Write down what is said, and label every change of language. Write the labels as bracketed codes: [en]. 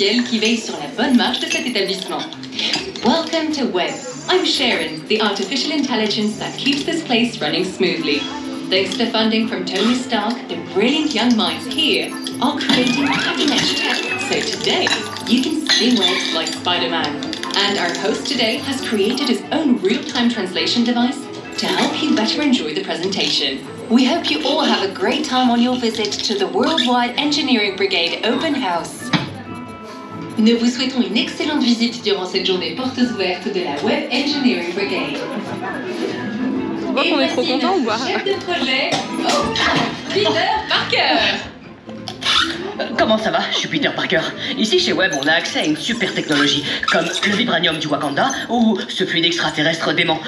[fr] Qui veille sur la bonne marche de cet établissement. [en] Welcome to Web. I'm Sharon, the artificial intelligence that keeps this place running smoothly. Thanks to funding from Tony Stark, the brilliant young minds here are creating cutting-edge tech. So today, you can see webs like Spider-Man. And our host today has created his own real-time translation device to help you better enjoy the presentation. We hope you all have a great time on your visit to the Worldwide Engineering Brigade Open House. [fr] Nous vous souhaitons une excellente visite durant cette journée portes ouvertes de la Web Engineering Brigade. On voit qu'on est trop contents ou quoi? Chef de projet, Peter Parker! Comment ça va? Je suis Peter Parker. Ici, chez Web, on a accès à une super technologie, comme le vibranium du Wakanda ou ce fluide extraterrestre dément.